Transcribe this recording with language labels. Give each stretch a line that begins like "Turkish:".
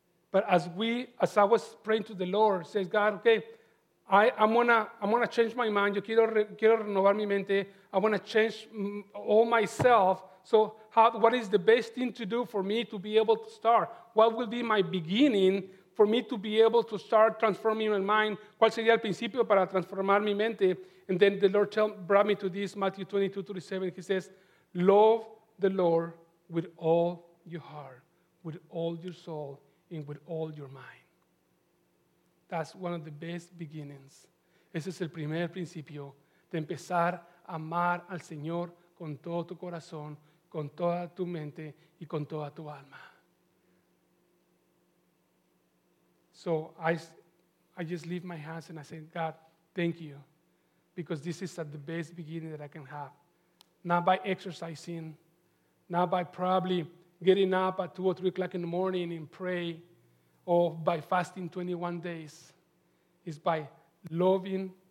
English: But as I was praying to the Lord, says God, okay, I'm gonna change my mind.
Spanish: Yo quiero renovar mi mente.
English: I wanna change all myself. So, what is the best thing to do for me to be able to start? What will be my beginning? For me to be able to start transforming my mind,
Spanish: ¿cuál sería el principio para transformar mi mente?
English: And then the Lord brought me to this, Matthew 22:37. He says, love the Lord with all your heart, with all your soul, and with all your mind. That's one of the best beginnings.
Spanish: Ese es el primer principio de empezar a amar al Señor con todo tu corazón, con toda tu mente, y con toda tu alma.
English: So I just leave my hands and I say, God, thank you. Because this is at the best beginning that I can have. Not by exercising, not by probably getting up at 2 or 3 o'clock in the morning and pray, or by fasting 21 days. It's by loving